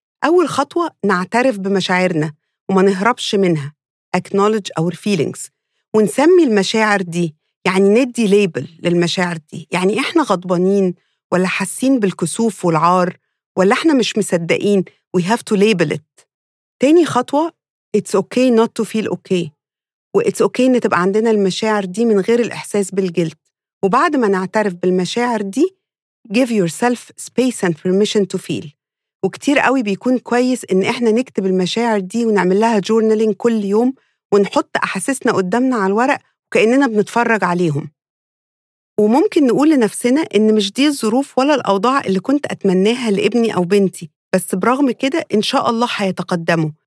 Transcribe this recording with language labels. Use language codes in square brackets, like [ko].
[ar] أول خطوة نعترف بمشاعرنا وما نهربش منها، [en] acknowledge our feelings، [ar] ونسمي المشاعر دي، يعني ندي label للمشاعر دي، يعني إحنا غضبانين ولا حاسين بالكسوف والعار ولا إحنا مش مصدقين، [en] we have to label it. [ar] تاني خطوة [en] it's okay not to feel okay، [ar] و [en] it's okay [ar] نتبقى عندنا المشاعر دي من غير الإحساس بالجلد. وبعد ما نعترف بالمشاعر دي [en] give yourself space and permission to feel. [ar] وكتير قوي بيكون كويس إن إحنا نكتب المشاعر دي ونعمل لها journaling كل يوم ونحط أحاسيسنا قدامنا على الورق وكأننا بنتفرج عليهم. وممكن نقول لنفسنا إن مش دي الظروف ولا الأوضاع اللي كنت أتمناها لإبني أو بنتي، بس برغم كده إن شاء الله هيتقدموا.